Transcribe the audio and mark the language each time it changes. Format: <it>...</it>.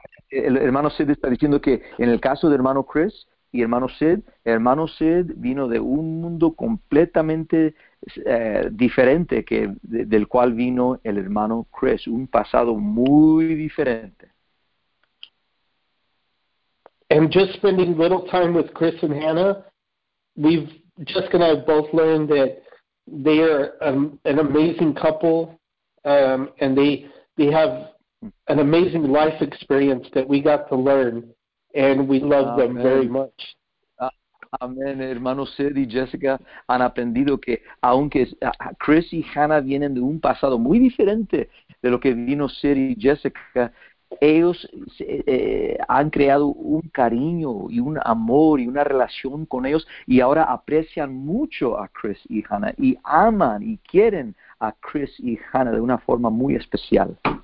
<es>El hermano Sid está diciendo que en el caso de hermano Chris y hermano Sid vino de un mundo completamente diferente que del cual vino el hermano Chris, un pasado muy diferente.</es> <en>And just spending little time with Chris and Hannah, Jessica and I have both learned that they are an amazing couple, and they have an amazing life experience that we got to learn, and we love them very much.</en> <es>Amén, hermano Sid y Jessica han aprendido que aunque Chris y Hannah vienen de un pasado muy diferente de lo que vino Sid y Jessica, ellos han creado un cariño y un amor y una relación con ellos, y ahora aprecian mucho a Chris y Hannah y aman y quieren a Chris y Hannah de una forma muy especial.</es>